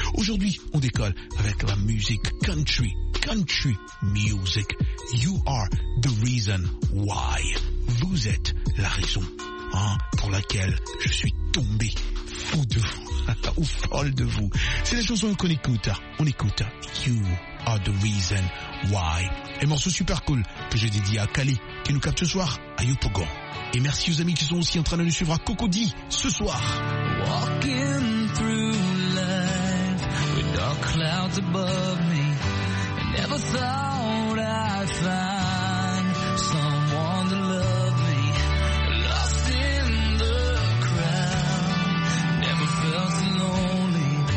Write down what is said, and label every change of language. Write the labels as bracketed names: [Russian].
[French] Aujourd'hui, on décolle avec la musique country. [English] Country music. You are the reason why. [French] Vous êtes la raison pour laquelle je suis tombé fou de vous ou folle de vous. C'est la chanson qu'on écoute. On écoute You are the reason why. Un morceau super cool que je dédie à Kali qui nous capte ce soir à Yopogon. Et merci aux amis qui sont aussi en train de nous suivre à Cocody ce soir. [English] Walking through life with dark clouds above me. Never thought I'd find someone to love me. Lost in the crowd, never felt so lonely.